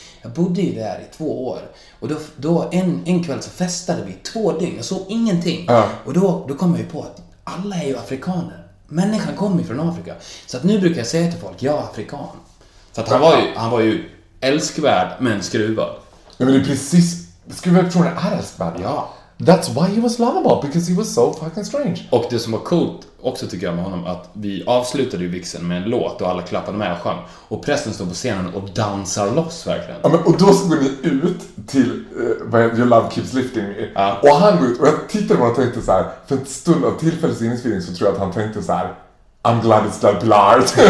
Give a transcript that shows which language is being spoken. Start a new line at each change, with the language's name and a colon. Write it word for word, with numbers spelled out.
Swedish: Jag bodde ju där i två år. Och då, då en, en kväll så festade vi två dygn, jag såg ingenting. Ja. Och då, då kom jag ju på att alla är ju afrikaner. Människan kommer ju från Afrika. Så att nu brukar jag säga till folk, jag är afrikan. Så att han var ju, han var ju älskvärd, men skruvad. Ja, men det är precis, skruvad tror jag är älskvärd. Ja.
English: That's why he was lovable, because he was so fucking strange.
Swedish: Och det som var coolt också tycker jag med honom, att vi avslutade ju vixen med en låt och alla klappade med och sjöng. Och prästen stod på scenen och dansar loss verkligen. Ja, men, och då skulle ni ut till uh, Your Love Keeps Lifting Me. Ja. Och han går ut, och jag tittade på och tänkte så här, för ett stund av tillfällsinspelning så tror jag att han tänkte så här,
English: I'm glad it's not blood.